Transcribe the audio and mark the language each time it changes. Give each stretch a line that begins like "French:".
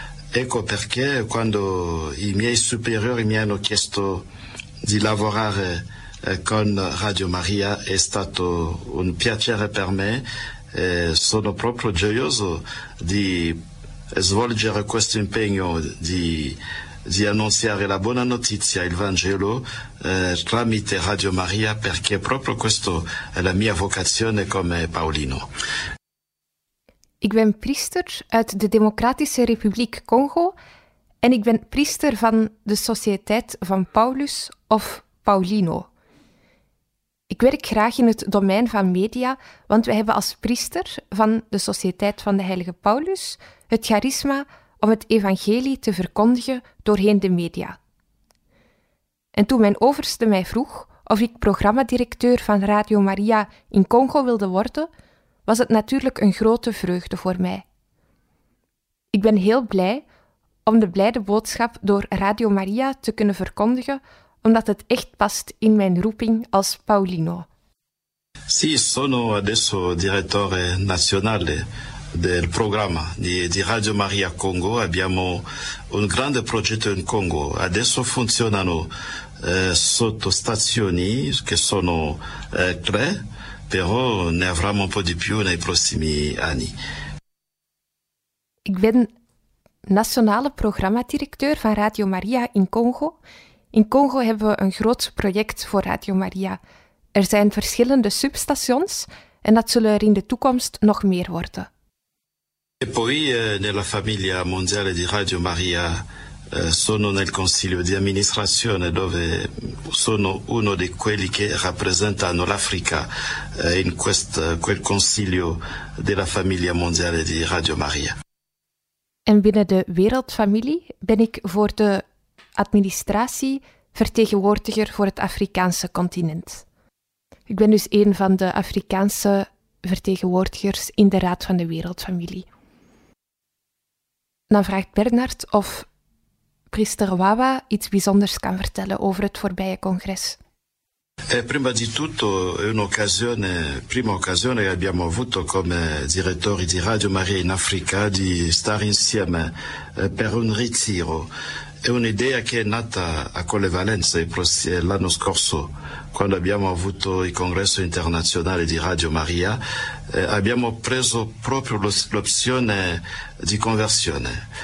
Italian: Ecco perché quando i miei superiori mi hanno chiesto di lavorare con Radio Maria è stato un piacere per me e sono proprio gioioso di svolgere questo impegno di annunciare la buona notizia, il Vangelo tramite Radio Maria perché proprio questa è la mia vocazione come paolino.
Dutch: Ik ben priester uit de Democratische Republiek Congo en ik ben priester van de Sociëteit van Paulus of Paulino. Ik werk graag in het domein van media, want we hebben als priester van de Sociëteit van de Heilige Paulus het charisma om het evangelie te verkondigen doorheen de media. En toen mijn overste mij vroeg of ik programmadirecteur van Radio Maria in Congo wilde worden, was het natuurlijk een grote vreugde voor mij. Ik ben heel blij om de blijde boodschap door Radio Maria te kunnen verkondigen, omdat het echt past in mijn roeping als Paulino.
Italian: Sì, sono adesso direttore nazionale del programma di Radio Maria Congo. Abbiamo un grande progetto in Congo. Adesso funzionano sotto stazioni che sono tre, però ne avremo un po' di più nei prossimi anni.
Dutch: Ik ben nationale programmadirecteur van Radio Maria in Congo. In Congo hebben we een groot project voor Radio Maria. Er zijn verschillende substations en dat zullen er in de toekomst nog meer worden.
Italian: E poi nella famiglia mondiale di Radio Maria sono nel consiglio di amministrazione dove sono uno di quelli che rappresentano l'Africa in quel consiglio della famiglia mondiale di Radio Maria.
Dutch: En binnen de wereldfamilie ben ik voor de administratie vertegenwoordiger voor het Afrikaanse continent. Ik ben dus een van de Afrikaanse vertegenwoordigers in de Raad van de Wereldfamilie. Dan vraagt Bernard of priester Wawa iets bijzonders kan vertellen over het voorbije congres.
Italian: Prima di tutto, un'occasione, prima occasione che abbiamo avuto come direttori di Radio Maria in Africa di stare insieme per un ritiro. È un'idea che è nata a Collevalenza l'anno scorso, quando abbiamo avuto il congresso internazionale di Radio Maria, abbiamo preso proprio l'opzione di conversione.